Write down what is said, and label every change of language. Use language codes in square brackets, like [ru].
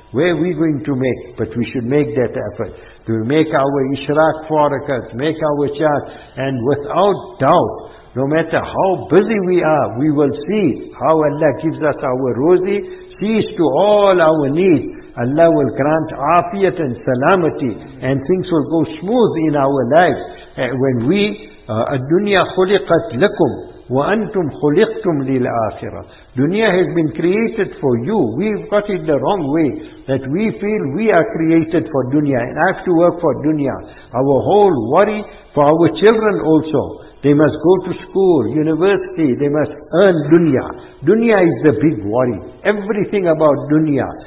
[en] Where are we going to make? But we should make that effort. To make our ishraq 4 rakat, make our chaash, and without doubt, no matter how busy we are, we will see how Allah gives us our rosy, sees to all our needs. Allah will grant afiyat and salamati, and things will go smooth in our lives. When we, [ar] الدُّنْيَا خُلِقَتْ لَكُمْ وَأَنْتُمْ خُلِقْتُمْ لِلْآخِرَةِ. [en] Dunya has been created for you. We've got it the wrong way, that we feel we are created for dunya, and I have to work for dunya. Our whole worry for our children also. They must go to school, university, they must earn dunya. Dunya is the big worry. Everything about dunya.